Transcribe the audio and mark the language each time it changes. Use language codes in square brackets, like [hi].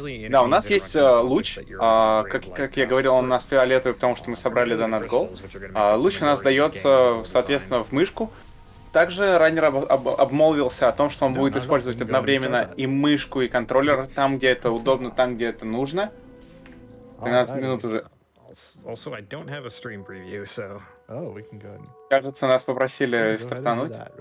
[ru] Да, у нас есть луч, как я говорил, он у нас фиолетовый, потому что мы собрали донат гол. Луч у нас дается, соответственно, в мышку. Также раннер обмолвился о том, что он будет использовать одновременно и мышку, и контроллер, там, где это удобно, там, где это нужно. 13 минут уже. [en] Also, I don't have a stream preview, so... [ru] Кажется, нас попросили стартануть.